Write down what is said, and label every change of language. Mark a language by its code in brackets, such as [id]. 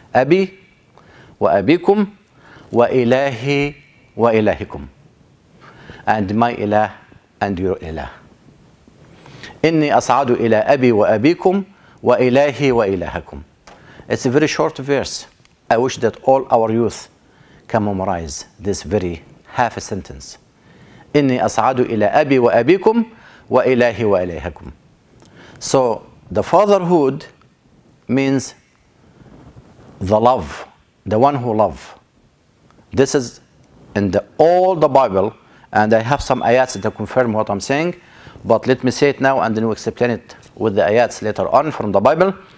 [ar] أبي وأبيكم وإلهي وإلهكم. [en] And my إله and your إله. [ar] إني أصعد إلى أبي وأبيكم وإلهي وإلهكم. [en] It's a very short verse. I wish that all our youth can memorize this very half a sentence. [ar] إني أصعد إلى أبي وأبيكم وإلهي وإلهكم. [en] So the fatherhood means the love, the one who love. This is in the all the Bible, and I have some ayats that confirm what I'm saying, but let me say it now and then we'll explain it with the ayats later on from the Bible.